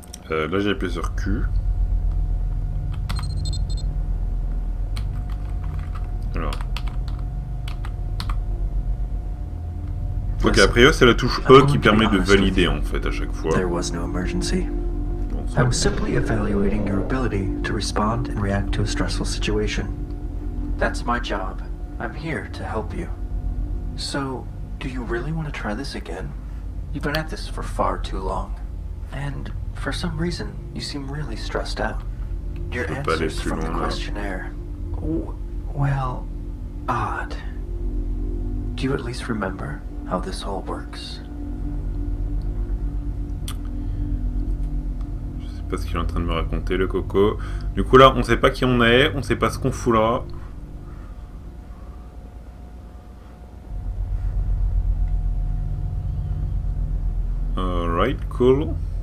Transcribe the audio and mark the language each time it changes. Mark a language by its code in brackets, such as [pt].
[fr] Là, j'ai appuyé sur Q. Alors. Ok, a priori, c'est la touche E qui permet de valider en fait à chaque fois. [en] There was no emergency. I was simply evaluating your ability to respond and react to a stressful situation. That's my job. I'm here to help you. So, do you really want to try this again? You've been at this for far too long. And for some reason, you seem really stressed out. Your answers from the questionnaire. Well, odd. Do you at least remember how this all works? [fr] Parce qu'il est en train de me raconter le coco. Du coup là, on sait pas qui on est, on sait pas ce qu'on fout là. [en] Alright, cool.